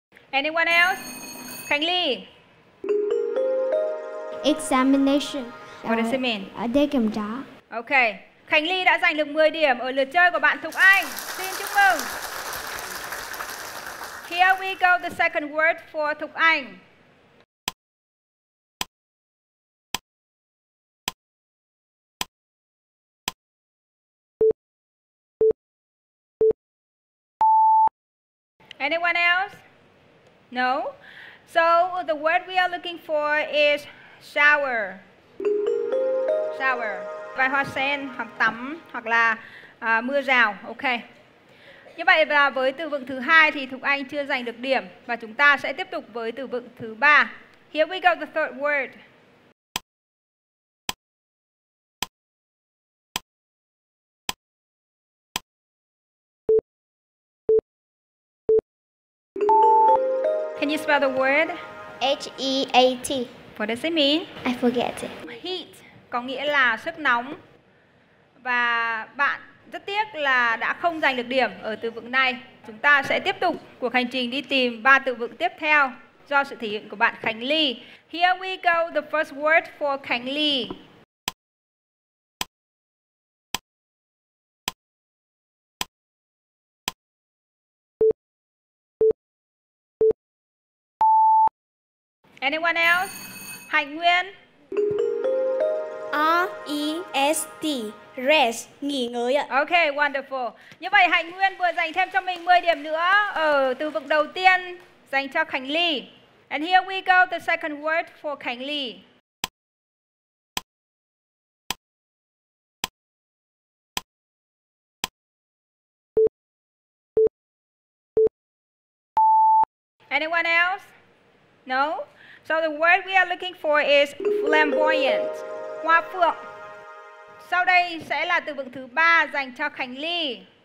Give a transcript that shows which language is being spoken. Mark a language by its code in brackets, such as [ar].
[en] Anyone else? Khánh Ly. Examination. What does it mean? [vi] Đề kiểm tra. [en] Okay. [vi] Khánh Ly đã giành được 10 điểm ở lượt chơi của bạn Thục Anh. Xin chúc mừng. [en] Here we go, the second word for Thục Anh. Anyone else? No? So the word we are looking for is shower. Shower. [vi] Vài hoa sen, hoặc tắm, hoặc là mưa rào. Okay. Như vậy là với từ vựng thứ hai thì Thục Anh chưa giành được điểm và chúng ta sẽ tiếp tục với từ vựng thứ ba. [en] Here we go, the third word. Can you spell the word? H-E-A-T. What does it mean? I forget it. [vi] Heat có nghĩa là sức nóng. Và bạn rất tiếc là đã không giành được điểm ở từ vựng này. Chúng ta sẽ tiếp tục cuộc hành trình đi tìm ba từ vựng tiếp theo do sự thể hiện của bạn Khánh Ly. [en] Here we go, the first word for Khánh Ly. Anyone else? Hạnh Nguyên. R-E-S-T. Rest. [vi] Nghỉ ngơi ạ. [en] Ok, wonderful. [vi] Như vậy Hạnh Nguyên vừa dành thêm cho mình 10 điểm nữa ở từ vựng đầu tiên dành cho Khánh Ly. [en] And here we go, the second word for Khánh Ly. Anyone else? No? So the word we are looking for is flamboyant. [vi] Hoa phượng. Sau đây sẽ là từ vựng thứ 3 dành cho Khánh Ly.